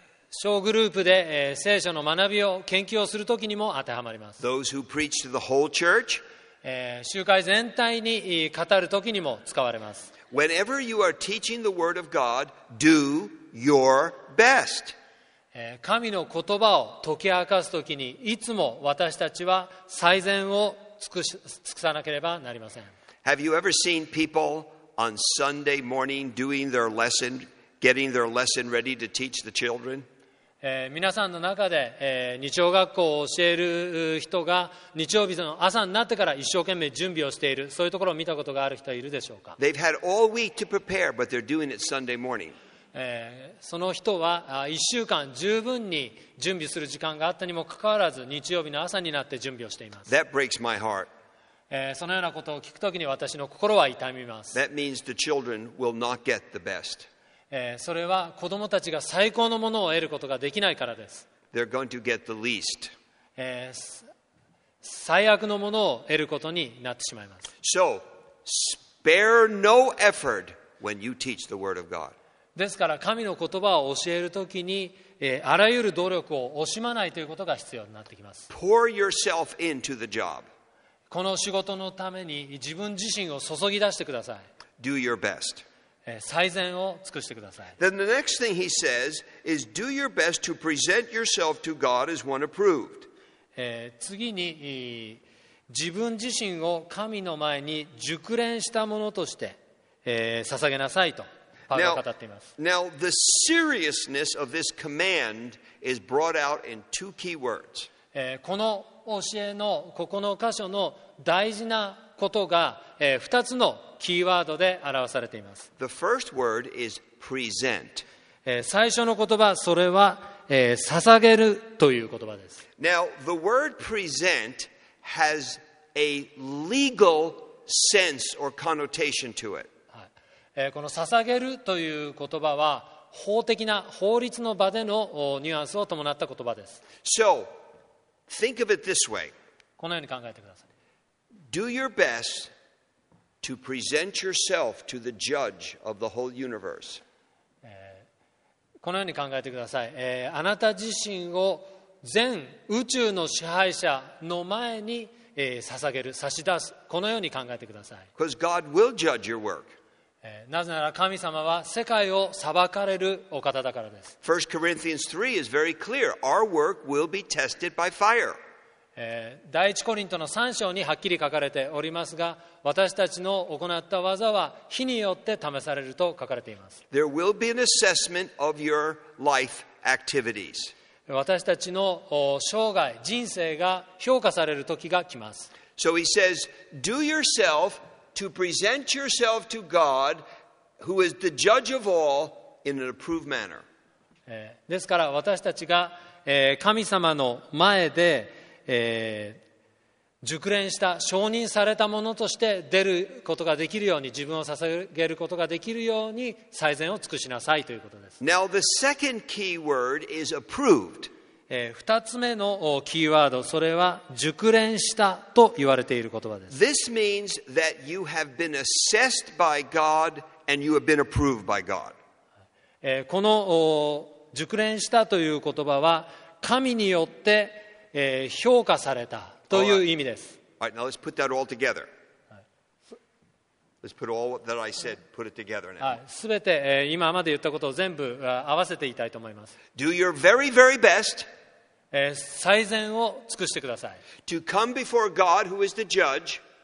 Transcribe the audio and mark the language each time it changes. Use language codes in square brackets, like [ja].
[ja] 小グループで、聖書の学びを研究をするときにも当てはまります。 [en] Those who preach to the whole church. [ja] 集会全体に語るときにも使われます。 [en] Whenever you are teaching the word of God, do your best. [ja] 神の言葉を解き明かすときにいつも私たちは最善を尽くさなければなりません。 [en] Have you ever seen people on Sunday morning doing their lesson, getting their lesson ready to teach the children? [ja] 皆さんの中で、日曜学校を教える人が日曜日の朝になってから一生懸命準備をしている、そういうところを見たことがある人はいるでしょうか? [en] They've had all week to prepare, but they're doing it Sunday morning. [ja] その人は1週間十分に準備する時間があったにもかかわらず日曜日の朝になって準備をしています。 [en] That breaks my heart. [ja] そのようなことを聞くときに私の心は痛みます。 [en] That means the children will not get the best. [ja] それは子どもたちが最高のものを得ることができないからです。 [en] They're going to get the least. [ja] 最悪のものを得ることになってしまいます。 [en] So spare no effort when you teach the word of God. [ja] ですから神の言葉を教えるときに、あらゆる努力を惜しまないということが必要になってきます。 [en] Pour yourself into the job. [ja] この仕事のために自分自身を注ぎ出してください。 [en] Do your best. [ja] 最善を尽くしてください。 [en] Then the next thing he says is do your best to present yourself to God as one approved. [ja] 次に自分自身を神の前に熟練したものとして捧げなさいとパウロは語っています。 [en] Now the seriousness of this command is brought out in two key words. [ja] この教えのここの箇所の大事なことが2つのキーワードで表されています。 [en] The first word is present. [ja] 最初の言葉それは捧げるという言葉です。 [en] Now the word present has a legal sense or connotation to it. [ja] この捧げるという言葉は法的な法律の場でのニュアンスを伴った言葉です。 [en] So think of it this way. [ja] このように考えてください。 [en] Do your best to present yourself to the judge of the whole universe. [ja] このように考えてください。あなた自身を全宇宙の支配者の前に、捧げる、差し出す。このように考えてください。 [en] Because God will judge your work. [ja] なぜなら神様は世界を裁かれるお方だからです。 [en] 1 Corinthians 3 is very clear. Our work will be tested by fire. [ja] 第一コリントの3章にはっきり書かれておりますが、私たちの行った技は火によって試されると書かれています。 [en] There will be an assessment of your life activities. [ja] 私たちの生涯、人生が評価される時が来ます。 [en] So he says, do yourself to present yourself to God, who is the judge of all, in an approved manner. [ja] ですから私たちが神様の前で熟練した承認されたものとして出ることができるように、自分を捧げることができるように最善を尽くしなさいということです。 [en] Now the second key word is approved. [ja] 二つ目のキーワード、それは熟練したと言われている言葉です。 [en] This means that you have been assessed by God and you have been approved by God. [ja] この熟練したという言葉は神によって評価されたという意味です。 [en] All right, now let's put that all together. Let's put all that I said, put it together now. [ja] すべて今まで言ったことを全部合わせていたいと思います。 [en] Do your very, very best. [ja] 最善を尽くしてください。 [en] To come before God, who is the judge.